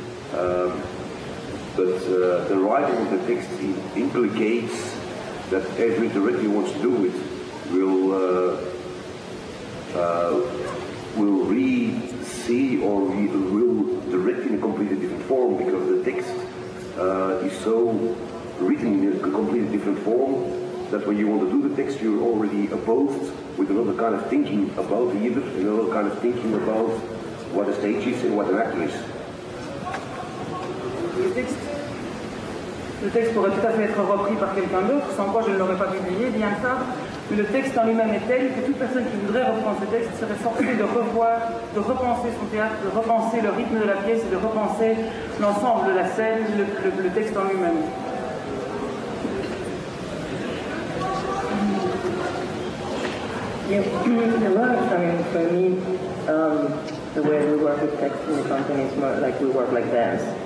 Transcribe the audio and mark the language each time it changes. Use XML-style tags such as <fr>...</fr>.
<en>But the writing of the text implicates that every director who wants to do it will re-see or will direct in a completely different form, because the text is so written in a completely different form that when you want to do the text you're already opposed with another kind of thinking about the event, another kind of thinking about what a stage is and what an actor is.</en> <fr>Le texte pourrait tout à fait être repris par quelqu'un d'autre, sans quoi je ne l'aurais pas publié, bien ça. Mais le texte en lui-même est tel que toute personne qui voudrait reprendre ce texte serait forcée de revoir, de repenser son théâtre, de repenser le rythme de la pièce, de repenser l'ensemble de la scène, le texte en lui-même.</fr> <en>A lot of times for me, the way we work with text in the company is more like we work like dance.</en>